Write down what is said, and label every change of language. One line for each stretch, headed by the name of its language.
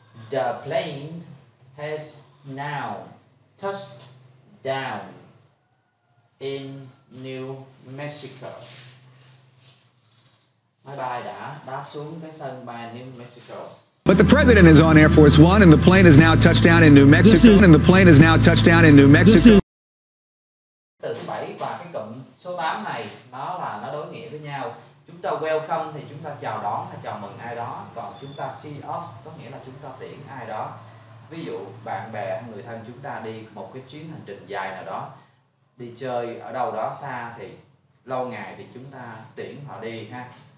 English: The plane has now touched down in New Mexico.
Vietnamese: Máy bay đã đáp xuống cái sân bay New Mexico.
English: But the president is on Air Force One and the plane has now touched down in New Mexico. And the plane is now touched down in New Mexico.
Vietnamese: Từ 7 và cái cụm số 8 này nó đối nghĩa với nhau. Chúng ta welcome thì chúng ta chào đón hay chào mừng ai đó, còn chúng ta see off có nghĩa là chúng ta tiễn ai đó. Ví dụ bạn bè, người thân chúng ta đi một cái chuyến hành trình dài nào đó, đi chơi ở đâu đó xa thì lâu ngày thì chúng ta tiễn họ đi ha.